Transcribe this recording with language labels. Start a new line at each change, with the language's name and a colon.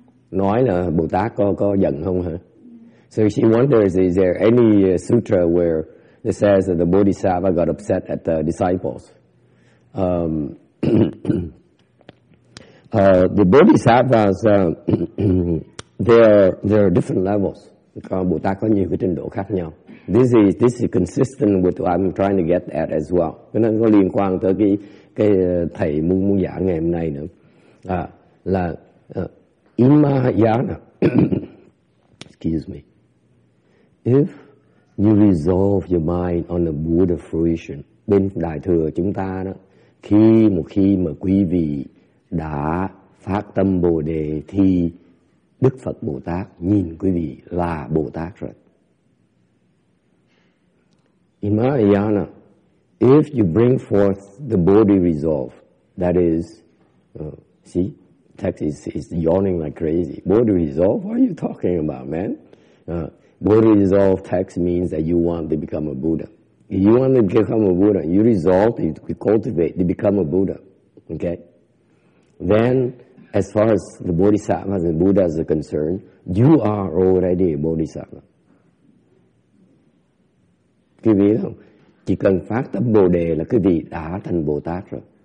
Vietnamese: Nói là Bồ Tát có giận không hả?
English: So she wonders, is there any sutra where it says that the Bodhisattva got upset at the disciples? the Bodhisattvas, there are different levels.
Vietnamese: Bồ Tát có nhiều cái trình độ khác nhau.
English: This is consistent with what I'm trying to get at as well.
Vietnamese: Cái nó có liên quan tới cái thầy muốn giảng ngày hôm nay nữa.
English: In Mahayana, excuse me, if you resolve your mind on the Buddha fruition,
Vietnamese: bên đại thừa chúng ta đó, khi mà quý vị đã phát tâm Bồ Đề thì Đức Phật Bồ Tát nhìn quý vị là Bồ Tát rồi.
English: In Mahayana, if you bring forth the Bodhi resolve, that is, see, text is yawning like crazy. Bodhi resolve? What are you talking about, man? Bodhi resolve text means that you want to become a Buddha. If you want to become a Buddha, you resolve, you cultivate to become a Buddha. Okay? Then, as far as the Bodhisattvas and Buddhas are concerned, you are already a Bodhisattva.
Vietnamese: Quý vị không? Chỉ cần phát tâm Bồ Đề là quý vị đã thành Bồ Tát rồi.